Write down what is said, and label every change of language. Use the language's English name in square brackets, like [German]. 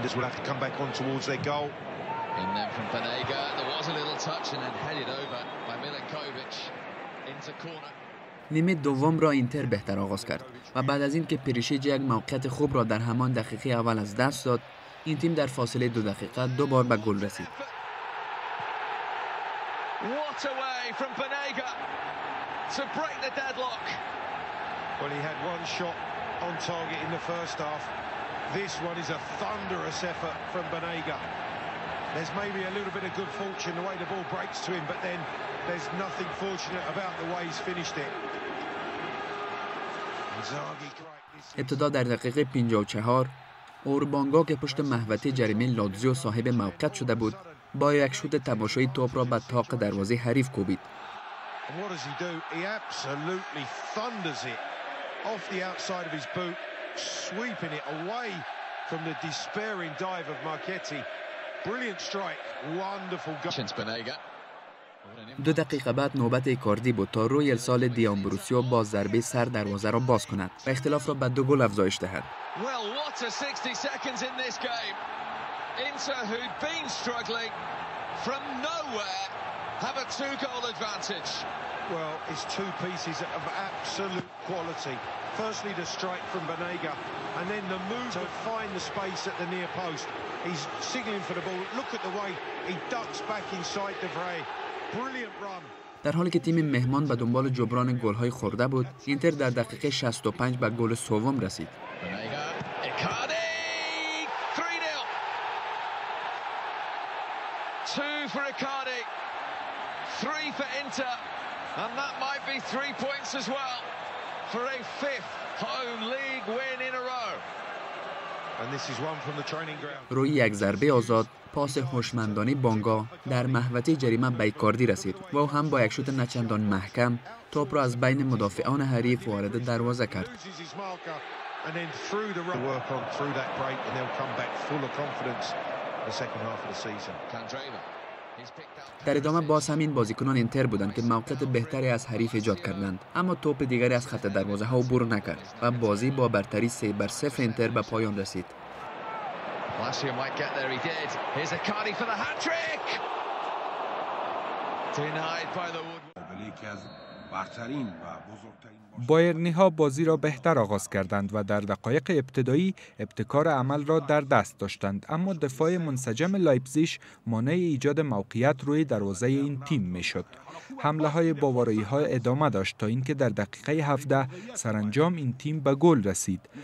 [English] This will have to come back on towards their goal. In then from Fanega. There was a little touch and then headed over by Milinkovic into corner. [Persian] نیمه دوم را اینتر بهتر آغاز کرد و بعد از اینکه پریشیج یک موقعیت خوب را در همان دقیقه اول از دست داد، این تیم در فاصله دو دقیقه دو بار به گل رسید. [English] What a way from Fanega to break the deadlock. Well, he had one shot on target in the first half. This one is a thunderous effort from Banega. There's maybe a little bit of good fortune the way the ball breaks to him, but then there's nothing fortunate about the way he's finished it. [Persian] ابتدا در دقیقه 54 اوربانگا که پشت محوطه جریمه لاتزیو صاحب موقعیت شده بود با یک شوت تماشایی توپ را به تاق دروازه حریف کوبید. [English] What does he do? He absolutely thunders it off the outside of his boot, sweeping it away from the despairing dive of Marchetti. Brilliant strike, wonderful goal. [Persian] دو دقیقه بعد نوبت ایکاردی بود تا رویل سال دیامبروسیو با ضربه سر دروازه را باز کند و اختلاف را به دو گل افزایش دهد. [English] Well, what a 60 seconds in this game. Inter, who'd been struggling from nowhere, have a two-goal advantage. Well, it's two pieces of absolute quality. Firstly, the strike from Banega, and then the move to find the space at the near post. He's signaling for the ball. Look at the way he ducks back inside De Vrij. Brilliant run. [Persian] در حالی که تیم مهمان به دنبال جبران گل‌های خورده بود، اینتر در دقیقه 65 به گل سوم رسید. [English] Banega, Icardi, 3-0. Two for Icardi, three for Inter. And that might be 3 points as well for a fifth home league win in a row. And this is one from the training ground. [Persian] روی یک ضربه آزاد پاس هوشمندانه بانگا در محوطه جریمه به ایکاردی رسید و او هم با یک شوت نچندان محکم توپ را از بین مدافعان حریف وارد دروازه کرد. در ادامه باز همین بازیکنان اینتر بودند که موقعیت بهتری از حریف ایجاد کردند، اما توپ دیگری از خط دروازه ها عبور نکرد و بازی با برتری 3-0 اینتر به پایان رسید. [English] Lazio might get there, he did. Here's Icardi for the hat-trick. Denied by the wood. I believe he has [Persian] برترین و بزرگترین باشد. بایرنی ها بازی را بهتر آغاز کردند و در دقایق ابتدایی ابتکار عمل را در دست داشتند، اما دفاع منسجم لایپزیگ مانع ایجاد موقعیت روی دروازه این تیم می شد. حمله های باورایی ها ادامه داشت تا اینکه در دقیقه 17 سرانجام این تیم به گل رسید.